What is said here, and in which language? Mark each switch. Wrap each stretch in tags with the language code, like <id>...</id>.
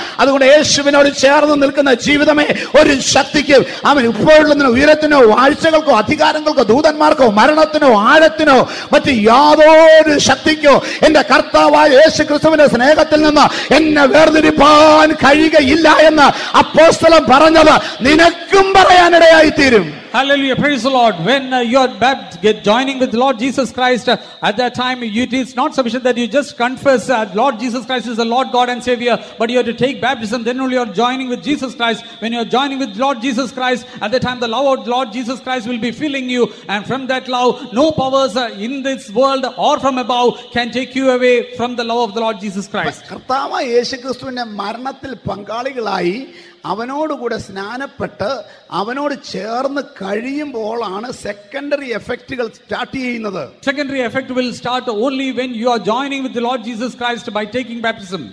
<ml>അതുകൊണ്ട് യേശുവിനോട് ചേർന്ന് നിൽക്കുന്ന ജീവിതമേ ഒരു ശക്തിക്ക്, അവൻ ഇപ്പോഴുള്ളതിനോ ഉയരത്തിനോ വാഴ്ചകൾക്കോ അധികാരങ്ങൾക്കോ ദൂതന്മാർക്കോ മരണത്തിനോ ആഴത്തിനോ മറ്റ് യാതൊരു ശക്തിക്കോ എന്റെ കർത്താവായ യേശു ക്രിസ്തുവിന്റെ സ്നേഹത്തിൽ നിന്ന് എന്നെ വേർതിരിപ്പാൻ കഴിയുകയില്ല എന്ന് അപ്പോസ്തലം പറഞ്ഞത് നിനക്കും പറയാനിടയായി തീരും.</ml> <en>Hallelujah, praise the Lord. When you are joining with the Lord Jesus Christ, at that time it is not sufficient that you just confess that Lord Jesus Christ is the Lord God and Savior, but you have to take baptism, then only you are joining with Jesus Christ. When you are joining with Lord Jesus Christ, at that time the love of Lord Jesus Christ will be filling you, and from that love no powers in this world or from above can take you away from the love of the Lord Jesus Christ.</en> <ml>Kartava Yesu Christuvinte maranathil pangaligalayi അവനോടുകൂടെ സ്നാനപ്പെട്ട് അവനോട് ചേർന്ന് കഴിയുമ്പോഴാണ് secondary എഫക്റ്റുകൾ start ചെയ്യുന്നത്.</ml> <en>Secondary effect will start only when you are joining with the Lord Jesus Christ by taking baptism.</en>